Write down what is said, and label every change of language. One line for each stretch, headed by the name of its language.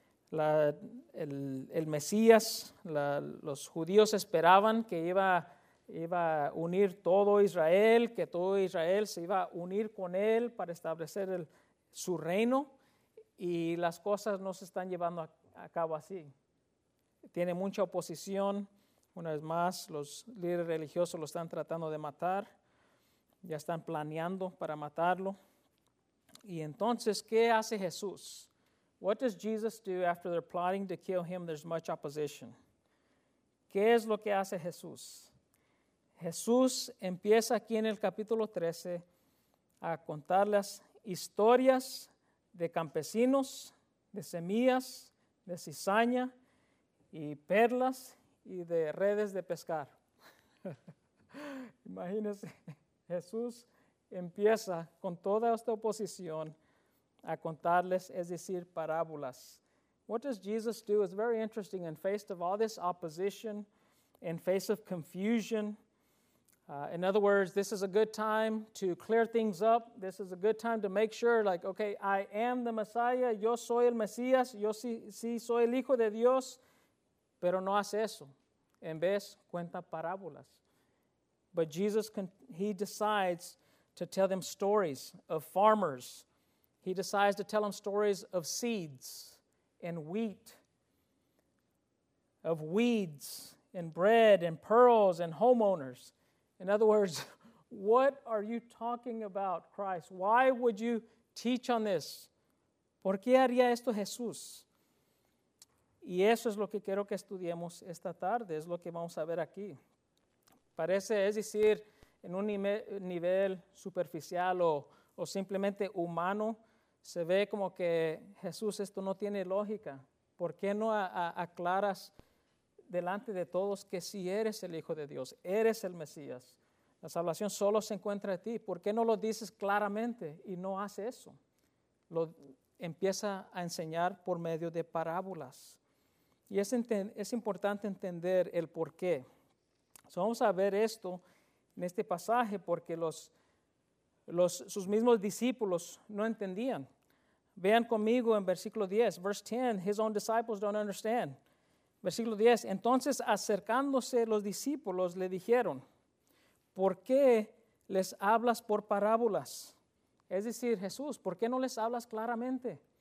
Spanish: El Mesías, los judíos esperaban que iba a unir todo Israel, que todo Israel se iba a unir con él para establecer su reino, y las cosas no se están llevando a cabo así. Tiene mucha oposición. Una vez más, los líderes religiosos lo están tratando de matar. Ya están planeando para matarlo. Y entonces, ¿qué hace Jesús?
English: What does Jesus do after they're plotting to kill him? There's much opposition.
Spanish: ¿Qué es lo que hace Jesús? Jesús empieza aquí en el capítulo 13 a contar las historias de campesinos, de semillas, de cizaña y perlas y de redes de pescar. Imagínense, Jesús empieza con toda esta oposición a contarles, es decir, parábolas.
English: What does Jesus do? It's very interesting. In face of all this opposition, in face of confusion, in other words, this is a good time to clear things up. This is a good time to make sure, like, okay, I am the Messiah.
Spanish: Yo soy el Mesías. Yo sí soy el Hijo de Dios. Pero no hace eso. En vez, cuenta parábolas.
English: But Jesus, he decides to tell them stories of farmers. He decides to tell them stories of seeds and wheat, of weeds and bread and pearls and homeowners. In other words, what are you talking about, Christ? Why would you teach on this?
Spanish: ¿Por qué haría esto Jesús? Y eso es lo que quiero que estudiemos esta tarde, es lo que vamos a ver aquí. Parece, es decir, en un nivel superficial o simplemente humano, se ve como que Jesús, esto no tiene lógica. ¿Por qué no aclaras delante de todos que si eres el Hijo de Dios, eres el Mesías? La salvación solo se encuentra en ti. ¿Por qué no lo dices claramente y no hace eso? Lo empieza a enseñar por medio de parábolas. Y es importante entender el por qué. So vamos a ver esto en este pasaje porque sus mismos discípulos no entendían. Vean conmigo en versículo 10,
English: verse 10, his own disciples don't understand.
Spanish: Versículo 10, entonces acercándose los discípulos le dijeron, ¿por qué les hablas por parábolas? Es decir, Jesús, ¿por qué no les hablas claramente?